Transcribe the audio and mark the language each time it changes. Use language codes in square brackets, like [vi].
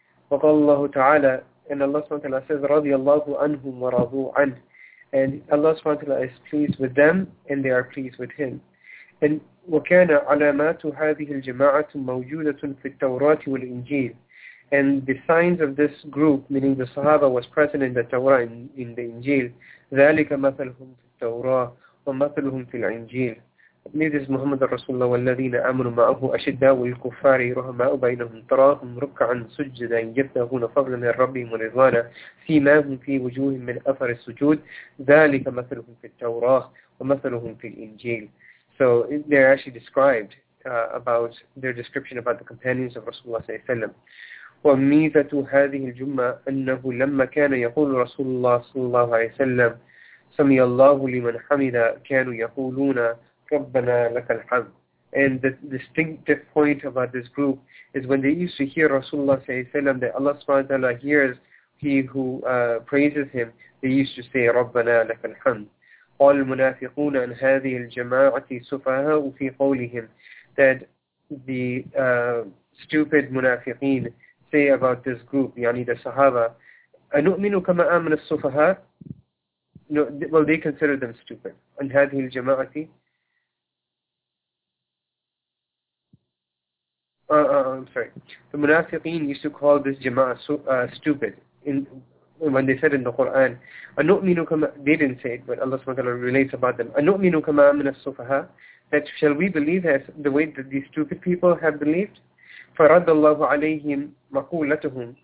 [ar] وَقَالَ اللَّهُ تَعَالَى, [en] and Allah subhanahu wa ta'ala says, [ar] رَضِيَ اللَّهُ عَنْهُمْ وَرَضُوا عَنْهُ, [en] and Allah subhanahu wa ta'ala is pleased with them, and they are pleased with Him. [ar] And وَكَانَ عَلَامَاتُ هَذِهِ الْجَمَاعَةُ مَوْجُودَةٌ فِي التَّوْرَاةِ وَالْإِنْجِيلِ. [en] And the signs of this group, meaning the Sahaba, was present in the Torah, in the Injil. [ar] ذَلِكَ مَثَلْهُمْ فِي التَّوْرَاةِ وَمَثَلْهُمْ فِي الْإِنْجِيلِ. [en] May this [ar] Muhammad Rasulullah وَالَّذِينَ آمَنُوا مَعَهُ أَشِدَّاءُ الْكُفَّارِ رُحَمَاءُ بَيْنَهُمْ تَرَاهُمْ رُكَّعًا سُجَّدًا يَبْتَغُونَ فَضْلًا مِنْ رَبِّهِمْ وَرِضْوَانًا سِيمَاهُمْ فِي وُجُوهِهِمْ مِنْ أَثَرِ السُّجُودِ ذَلِكَ مَثَلُهُمْ فِي التَّوْرَاةِ وَمَثَلُهُمْ فِي الْإِنْجِيلِ. [en] So they're actually described about their description about the companions of Rasulullah sallallahu alaihi wasallam. [ar] وَمِيزَةُ هَذِهِ الْجُمَّةِ أَنَّهُ لَمَّا كَانَ يَقُولُ رَسُولُ اللَّهِ صَلَّى اللَّهُ عَلَيْهِ وَسَلَّمَ سَمِيَ اللَّهُ لِمَنْ حَمِدَ كَانُوا يَقُولُونَ رَبَّنَا لَكَ الْحَمْدُ. [en] And the distinctive point about this group is when they used to hear Rasulullah sallallahu alaihi wasallam, that Allah subhanahu wa ta'ala hears he who praises him, they used to say [ar] رَبَّنَا لَكَ الْحَمْدُ. قال المنافقون أن هذه الجماعة سفهاء في قولهم. [en] That the stupid munafiqeen say about this group, يعني the sahaba, [ar] أنؤمن كما آمن السفهاء. [en] No, well, they consider them stupid. [ar] أن هذه الجماعة [en] I'm sorry. The munafiqeen used to call this jama'a stupid. When they said in the Quran, [ar] أَنُؤْمِنُ كَمَا, [en] they didn't say it, but Allah subhanahu wa ta'ala relates about them, [ar] أَنُؤْمِنُ كَمَا مِنَ السُّفَهَا, [en] that shall we believe as the way that these stupid people have believed? [ar] فَرَدَّ اللَّهُ عَلَيْهِمْ مَقُولَتُهُمْ.